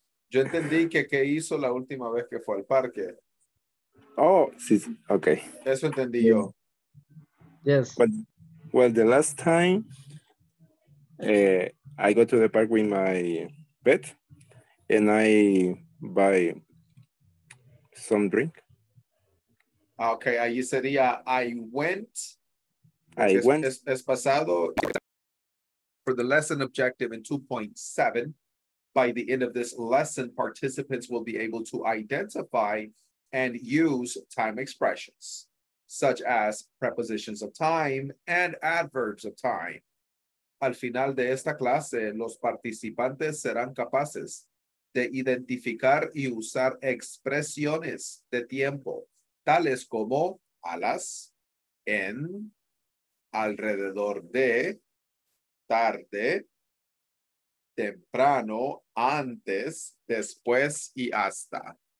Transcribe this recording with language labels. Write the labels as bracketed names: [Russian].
[Spanish] Yo entendí que qué hizo la última vez que fue al parque. Oh, sí, sí. Okay. Eso entendí yo. [English] Yes. But, well, the last time I go to the park with my pet and I buy some drink. [Spanish] Okay, ahí sería [English] I went. I went. [Spanish] Es pasado. [English] For the lesson objective in 2.7, by the end of this lesson, participants will be able to identify and use time expressions, such as prepositions of time and adverbs of time. [Spanish] Al final de esta clase, los participantes serán capaces de identificar y usar expresiones de tiempo, tales como a las, en, alrededor de, tarde, temprano, antes, después, y hasta.